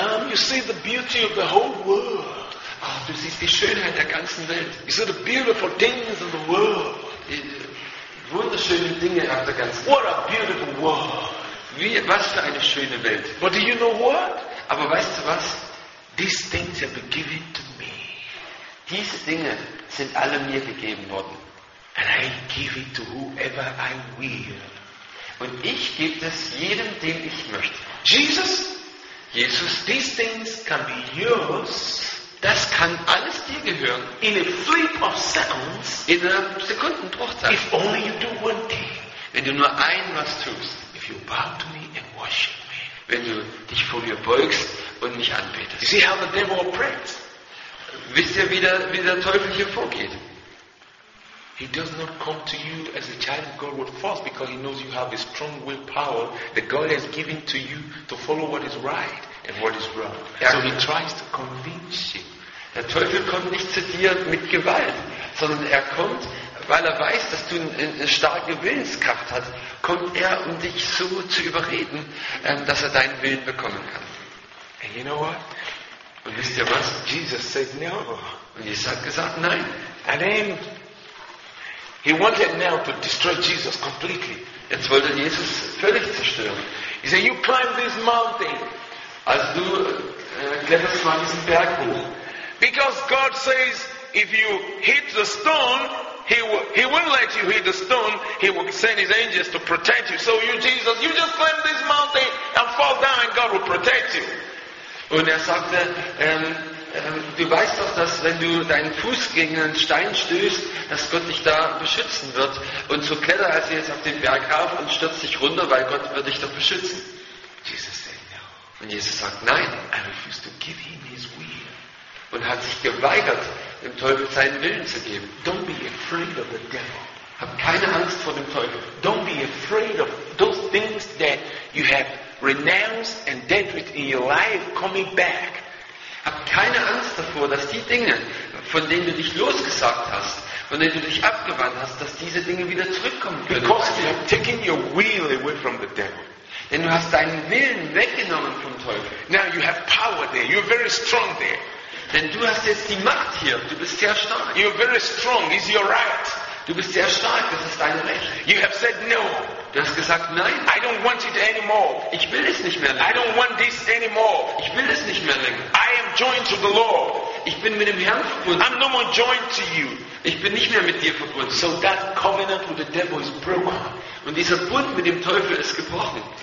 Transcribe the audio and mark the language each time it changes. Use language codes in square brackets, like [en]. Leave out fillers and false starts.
[en] You see the beauty of the whole world. [de] Ach, du siehst die Schönheit der ganzen Welt. [en] You see the beautiful things of the world. [de] Die wunderschönen Dinge auf der ganzen Welt. [en] What a beautiful world. [de] Was für eine schöne Welt. [en] But do you know what? [de] Aber weißt du was? [en] These things have been given to me. [de] Diese Dinge sind alle mir gegeben worden. [en] And I give it to whoever I will. [de] Und ich gebe es jedem, dem ich möchte. [en] Jesus, these things can be yours. [de] Das kann alles dir gehören. [en] In a flip of seconds. [de] In einer Sekundenbruchzeit. [en] If only you do one thing. [de] Wenn du nur ein was tust. [en] If you bow to me and worship me. [de] Wenn du dich vor mir beugst und mich anbetest. [en] You see how the devil operates. [de] Wisst ihr, wie der Teufel hier vorgeht? [en] He does not come to you as a child of God with force, because he knows you have a strong will power that God has given to you to follow what is right and what is wrong. So he tries to convince you. [de] Der Teufel kommt nicht zu dir mit Gewalt, sondern er kommt, weil er weiß, dass du eine starke Willenskraft hast, kommt er, um dich so zu überreden, dass er deinen Willen bekommen kann. [en] And you know what? [de] Und wisst ihr was? [en] Jesus said no. [de] Und Jesus hat gesagt nein. [en] And then he wanted now to destroy Jesus completely. [de] Jetzt wollte Jesus völlig zerstören. [en] He said, you climb this mountain. [de] Also du kletterst mal diesen Berg hoch. [en] Because God says, if you hit the stone, he won't let you hit the stone. He will send his angels to protect you. So you, Jesus, you just climb this mountain and fall down and God will protect you. [de] Und er sagte, du weißt doch, dass wenn du deinen Fuß gegen einen Stein stößt, dass Gott dich da beschützen wird. Und so kletter also jetzt auf den Berg auf und stürzt dich runter, weil Gott wird dich doch beschützen. [en] Jesus said no. [de] Und Jesus sagt nein. [en] I refuse to give him his will. [de] Und hat sich geweigert, dem Teufel seinen Willen zu geben. [en] Don't be afraid of the devil. [de] Hab keine Angst vor dem Teufel. [en] Don't be afraid of those things that you have renounced and dealt with in your life coming back. [de] Hab keine Angst davor, dass die Dinge, von denen du dich losgesagt hast, von denen du dich abgewandt hast, dass diese Dinge wieder zurückkommen können. [en] Because you have taken your will away from the devil. [de] Denn du hast deinen Willen weggenommen vom Teufel. [en] Now you have power there. You're very strong there. [de] Denn du hast jetzt die Macht hier. Du bist sehr stark. [en] You're very strong. It's your right. [de] Du bist sehr stark. Das ist dein Recht. [en] You have said no. [de] Du hast gesagt, nein. [en] I don't want it anymore. [de] Ich will es nicht mehr länger. [en] I don't want this anymore. [de] Ich will es nicht mehr länger. [en] I am joined to the Lord. [de] Ich bin mit dem Herrn verbunden. [en] I'm no more joined to you. [de] Ich bin nicht mehr mit dir verbunden. [en] So that covenant with the devil is broken. [de] Und dieser Bund mit dem Teufel ist gebrochen.